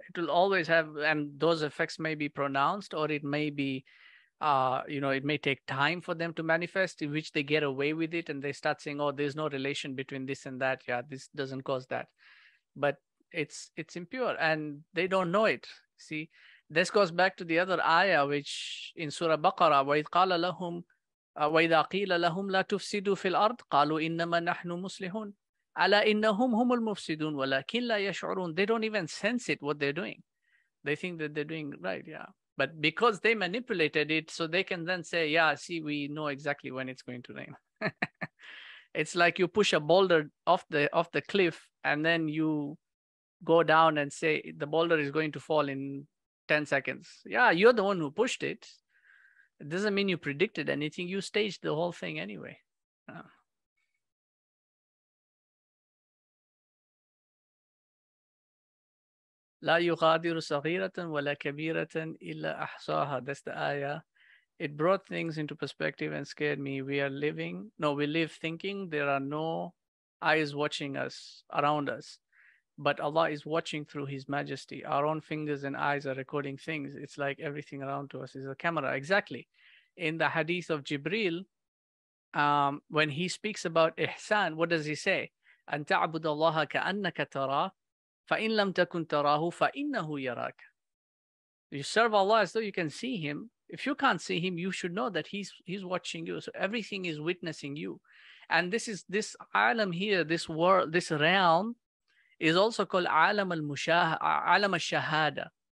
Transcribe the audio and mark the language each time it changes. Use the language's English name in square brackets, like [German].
[English] it will always have, and those effects may be pronounced, or it may be, you know, it may take time for them to manifest, in which they get away with it and they start saying, oh, there's no relation between this and that. Yeah, this doesn't cause that. But it's impure and they don't know it. See, this goes back to the other ayah, which in Surah Baqarah, [Arabic] وَإِذْ قَالَ لَهُمْ وَإِذَا قِيلَ لَهُمْ لَا تُفْسِدُوا فِي الْأَرْضِ قَالُوا إِنَّمَا نَحْنُ مُسْلِحُونَ أَلَا إِنَّهُمْ هُمُ الْمُفْسِدُونَ وَلَكِنْ لَا يَشْعُرُونَ. [English] They don't even sense it, what they're doing. They think that they're doing right, yeah. But because they manipulated it, so they can then say, yeah, see, we know exactly when it's going to rain. It's like you push a boulder off the cliff and then you go down and say the boulder is going to fall in 10 seconds. Yeah, you're the one who pushed it. It doesn't mean you predicted anything. You staged the whole thing anyway. [Arabic] لا يغادر صغيرة ولا كبيرة إلا أحصاها. [English] That's the ayah. It brought things into perspective and scared me. We live thinking there are no eyes watching us, around us. But Allah is watching through His majesty. Our own fingers and eyes are recording things. It's like everything around to us is a camera. Exactly. In the hadith of Jibreel, when he speaks about ihsan, what does he say? [Arabic] أن تعبد الله كأنك ترى فَإِن لَمْ تَكُنْ تَرَاهُ فَإِنَّهُ يَرَاكَ. [English] You serve Allah as though you can see Him. If you can't see Him, you should know that He's watching you. So everything is witnessing you. And this is this alam here, this world, this realm, is also called alam al-shahada.